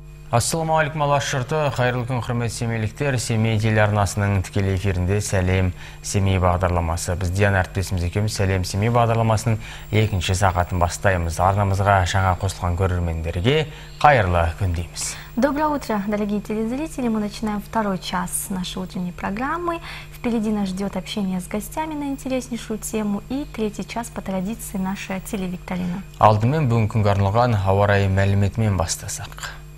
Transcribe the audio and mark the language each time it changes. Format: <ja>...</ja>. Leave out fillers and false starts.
<kk>Ассаламу алейкум алаш жұрты, қайырлы күн құрметті семейліктер, Семей телеарнасының тікелей эфирінде Сәлем Семей бағдарламасы. Біз Диан әріптесіміз екеуміз Сәлем Семей бағдарламасының екінші сағатын бастаймыз. Арнамызға жаңа қосылған көрермендерге қайырлы күн дейміз.</kk> <ru>Доброе утро, дорогие телезрители. Мы начинаем второй час нашей утренней программы. Впереди нас ждет общение с гостями на интереснейшую тему. И третий час по традиции наша телевикторина.</ru> <kk>Алдымен бүгінгі күнге арналған ауа райы мәліметімен бастасақ.</kk>